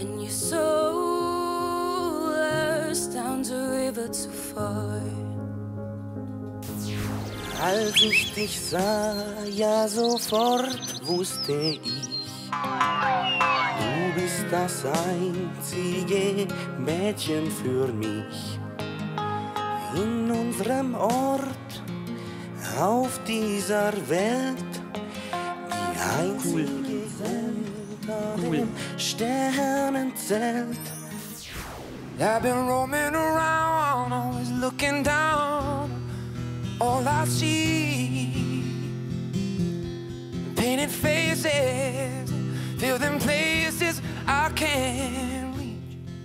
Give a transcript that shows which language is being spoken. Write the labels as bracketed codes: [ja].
[en] And you sold us down the river too far. [de] Als ich dich sah, ja sofort wusste ich, du bist das einzige Mädchen für mich. In unserem Ort, auf dieser Welt, die einzige Welt unter dem Sternenzelt. [en] I've been roaming around, always looking down. All I see, painted faces, fill them places I can't reach.